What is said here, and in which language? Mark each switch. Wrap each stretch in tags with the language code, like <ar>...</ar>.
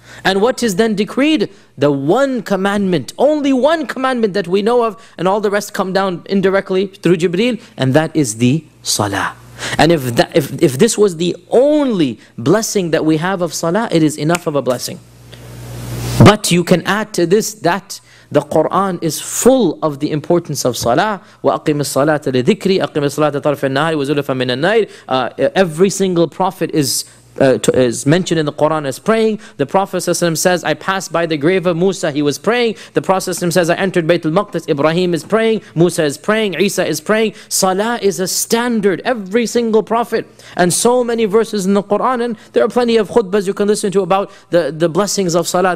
<en>And what is then decreed? The one commandment, only one commandment that we know of, and all the rest come down indirectly through Jibreel, and that is the Salah. And if this was the only blessing that we have of Salah, it is enough of a blessing. But you can add to this that the Quran is full of the importance of salah.</en> <ar>وَأَقِمِ الصَّلَاةَ لِذِكْرِي أَقِمِ الصَّلَاةَ طَرْفَ النَّهَارِ وَزُلُفَ مِنَ النَّيْرِ.</ar> <en>Every single prophet is is mentioned in the Quran as praying. The Prophet ﷺ says, I passed by the grave of Musa, he was praying. The Prophet ﷺ says, I entered Baytul Maqdis, Ibrahim is praying, Musa is praying, Isa is praying. Salah is a standard, every single Prophet. And so many verses in the Quran, and there are plenty of khutbas you can listen to about the blessings of Salah.</en>